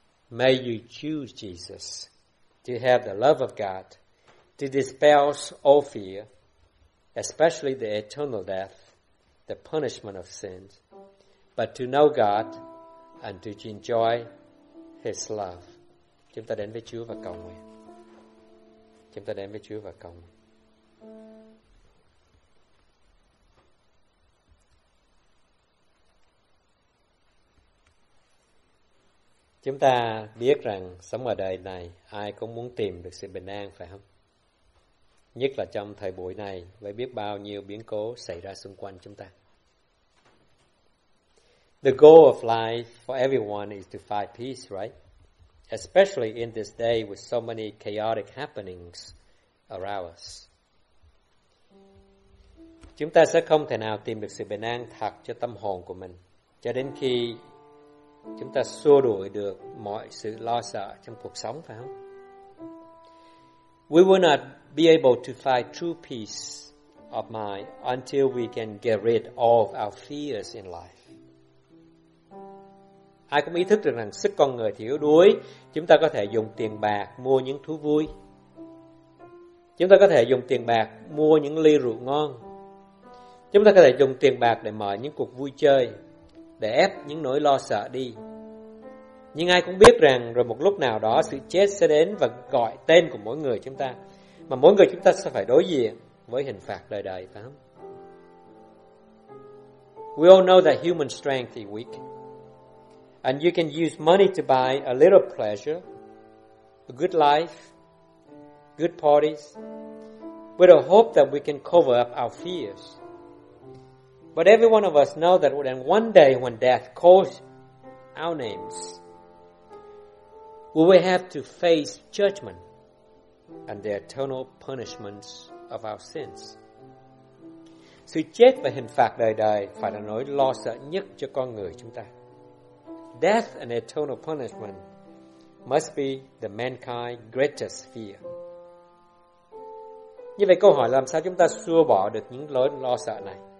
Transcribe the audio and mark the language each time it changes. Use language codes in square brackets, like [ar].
[en] May you choose Jesus to have the love of God, to dispel all fear, especially the eternal death, the punishment of sins, but to know God and to enjoy His love. [vi] Chúng ta đến với Chúa và cầu nguyện. Chúng ta đến với Chúa và cầu nguyện. Chúng ta biết rằng sống ở đời này ai cũng muốn tìm được sự bình an, phải không? Nhất là trong thời buổi này với biết bao nhiêu biến cố xảy ra xung quanh chúng ta. [en] The goal of life for everyone is to find peace, right? Especially in this day with so many chaotic happenings around us. [vi] Chúng ta sẽ không thể nào tìm được sự bình an thật cho tâm hồn của mình cho đến khi chúng ta xua đuổi được mọi sự lo sợ trong cuộc sống, phải không? [en] We will not be able to find true peace of mind until we can get rid of our fears in life. [vi] Ai cũng ý thức được rằng sức con người thì yếu đuối. Chúng ta có thể dùng tiền bạc mua những thú vui. Chúng ta có thể dùng tiền bạc mua những ly rượu ngon. Chúng ta có thể dùng tiền bạc để mở những cuộc vui chơi, để ép những nỗi lo sợ đi. Nhưng ai cũng biết rằng rồi một lúc nào đó sự chết sẽ đến và gọi tên của mỗi người chúng ta, mà mỗi người chúng ta sẽ phải đối diện với hình phạt đời đời, phải không? [en] We all know that human strength is weak, and you can use money to buy a little pleasure, a good life, good parties, with a hope that we can cover up our fears. But every one of us know that then one day when death calls our names, we will have to face judgment and the eternal punishments of our sins. [vi] Sự chết và hình phạt đời đời phải là nỗi lo sợ nhất cho con người chúng ta. [en] Death and eternal punishment must be the mankind's greatest fear. [vi] Như vậy câu hỏi là làm sao chúng ta xua bỏ được những nỗi lo sợ này?